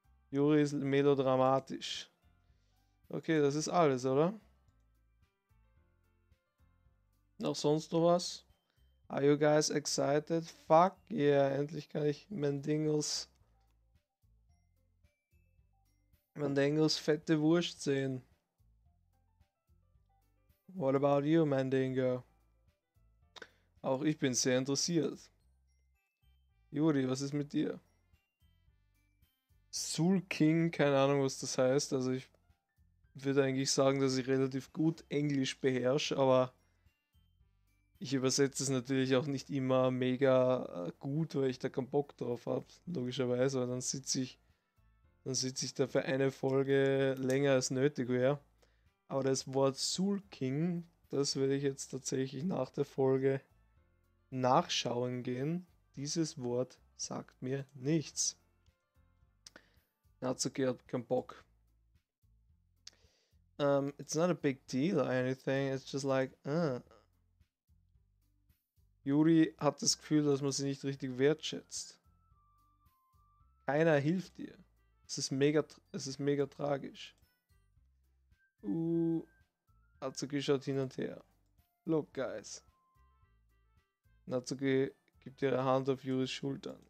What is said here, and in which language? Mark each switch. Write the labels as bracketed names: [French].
[German] Juri ist melodramatisch. Okay, das ist alles, oder? Noch sonst noch was? [English] Are you guys excited? Fuck yeah, [German] endlich kann ich Mandingos fette Wurst sehen. [English] What about you, Mandingo? [German] Auch ich bin sehr interessiert. Juri, was ist mit dir? Soul King, keine Ahnung, was das heißt. Also ich würde eigentlich sagen, dass ich relativ gut Englisch beherrsche, aber ich übersetze es natürlich auch nicht immer mega gut, weil ich da keinen Bock drauf habe, logischerweise. Weil dann sitze ich da für eine Folge länger als nötig wäre. Aber das Wort Soul King, das werde ich jetzt tatsächlich nach der Folge nachschauen gehen. Dieses Wort sagt mir nichts. Natsuki hat keinen Bock. [English] It's not a big deal or anything. It's just like, [German] Juri hat das Gefühl, dass man sie nicht richtig wertschätzt. Keiner hilft ihr. Es ist mega tragisch. Natsuki schaut hin und her. [English] Look, guys. [German] Natsuki gibt ihre Hand auf Juris Schultern.